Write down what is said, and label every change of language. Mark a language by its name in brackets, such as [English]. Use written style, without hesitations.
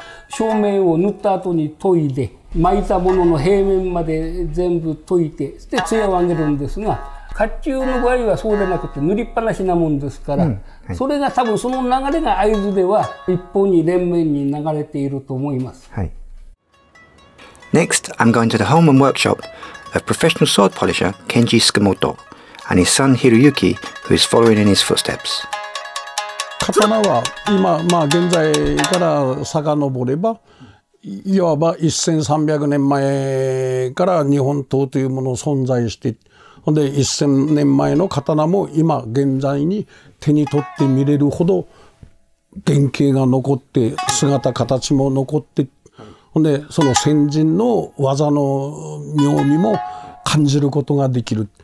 [Japanese] 正面を塗った後に研いで、巻いたものの平面まで全部研いで、で艶を上げるんですが、甲冑の場合はそうでなくて塗りっぱなしなもんですから、うん、はい、それが多分その流れが会津では一方に連綿に流れていると思います、はい、 [English] Next, I'm going to the home and workshop of professional sword polisher Kenji Tsukamoto and his son Hiroyuki, who is following in his footsteps. [Japanese] 刀は今、まあ、現在から遡れば、いわば1300年前から日本刀というものを存在して、で1000年前の刀も今現在に手に取って見れるほど原型が残って、姿形も残って、ほんでその先人の技の妙味も感じることができる。